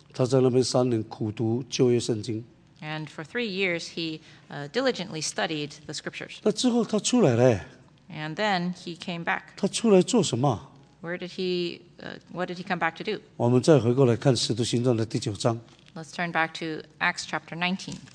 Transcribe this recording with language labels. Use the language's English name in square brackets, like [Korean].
[Chinese] 他在那边3年苦读旧约圣经。 [English] And for 3 years, he diligently studied the scriptures. [Chinese] 那之后他出来了。 [English] And then he came back. [Chinese] 他出来做什么？ [English] Where did he, what did he come back to do? [Chinese] 我们再回过来看使徒行传的第9章。 [English] Let's turn back to Acts chapter 19.